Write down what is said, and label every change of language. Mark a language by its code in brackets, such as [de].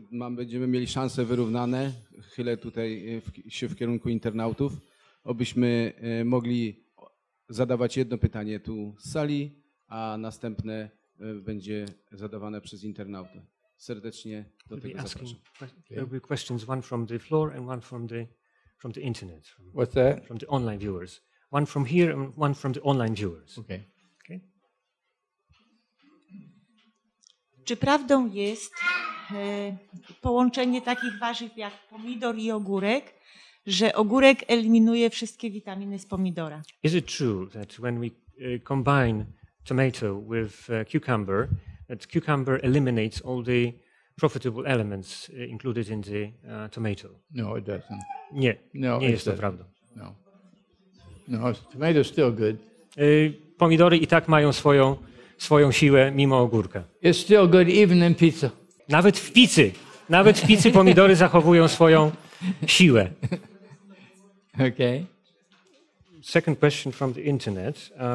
[pl] Będziemy mieli szanse wyrównane, chylę tutaj się w kierunku internautów, abyśmy mogli zadawać jedno pytanie tu z sali, a następne będzie zadawane przez internautę. Serdecznie do tego zapraszam. [en] There will be questions, one from the floor and one from the internet. What's that? From the online viewers. One from here and one from the online viewers. Okay. [pl] Czy prawdą jest połączenie takich warzyw jak pomidor i ogórek, że ogórek eliminuje wszystkie witaminy z pomidora? [en] Is it true that when we combine tomato with cucumber, that cucumber eliminates all the profitable elements included in the tomato? No, it doesn't. [pl] Nie, no, nie jest to prawdą. [en] No, no, tomato is still good. [pl] Pomidory i tak mają swoją siłę mimo ogórka. [en] It's still good even in pizza. [pl] Nawet w pizzy pomidory zachowują swoją siłę. [en] Okay. Second question from the internet.